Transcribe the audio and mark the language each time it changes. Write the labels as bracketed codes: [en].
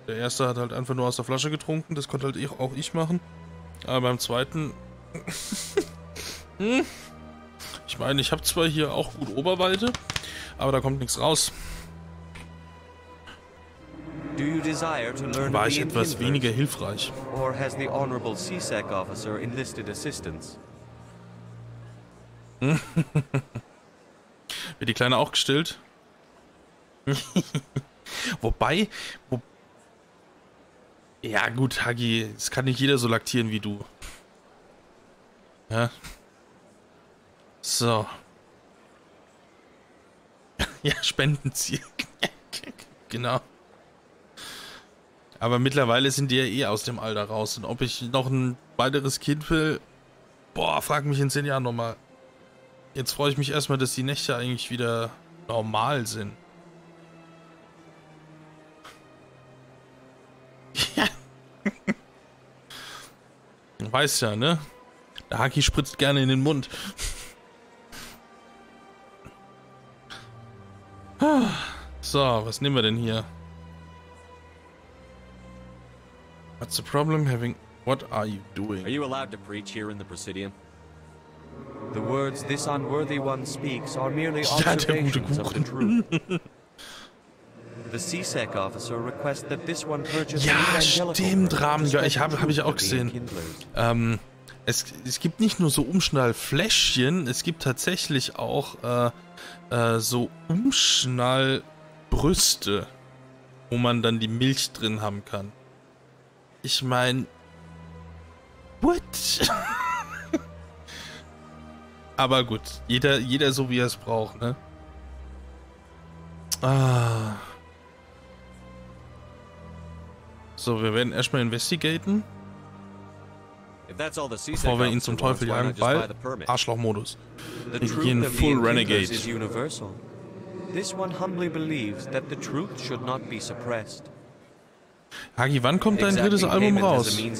[de] Der erste hat halt einfach nur aus der Flasche getrunken, das konnte halt auch ich machen. Aber beim zweiten... ich meine, ich habe zwar hier auch gut Oberweite, aber da kommt nichts raus. [en] Do you desire to learn [de] war ich etwas weniger hilfreich. [en] Or has the honorable CSEC officer enlisted assistance? [de] Wird die Kleine auch gestillt? Wobei, ja gut, Hagi, es kann nicht jeder so laktieren wie du. Ja. So. Ja, Spendenziel. Genau. Aber mittlerweile sind die ja eh aus dem Alter raus. Und ob ich noch ein weiteres Kind will, boah, frag mich in 10 Jahren nochmal. Jetzt freue ich mich erstmal, dass die Nächte eigentlich wieder normal sind. Ja. Weiß ja, ne? Der Haki spritzt gerne in den Mund. So, was nehmen wir denn hier? [en] What's the problem having... What are you doing? Are you allowed to preach here in the Presidium? The words this unworthy one speaks are merely observations of the truth. The CSEC officer requests that this one purchase... [de] Ja, stimmt, Rahmen. Ja, hab ich auch gesehen. Es gibt nicht nur so Umschnallfläschchen, es gibt tatsächlich auch so Umschnallbrüste, wo man dann die Milch drin haben kann. Ich meine, [en] what? [de] Aber gut, jeder so, wie er es braucht, ne? Ah. So, wir werden erstmal investigaten. Bevor wir ihn zum Teufel jagen, weil Arschloch-Modus. Wir gehen full Renegade. [en] Is universal. This one humbly believes that the truth should not be suppressed. [de] Hagi, wann kommt dein drittes Album raus?